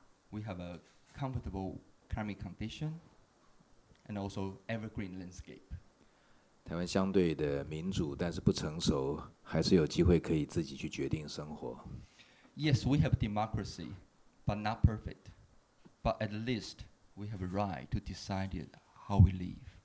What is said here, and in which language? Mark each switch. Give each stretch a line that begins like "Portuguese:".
English: We have a comfortable climate condition and also evergreen landscape.
Chinese: 台湾相对的民主但是不成熟，还是有机会可以自己去决定生活。
English: Yes, we have democracy, but not perfect. But at least we have a right to decide how we live.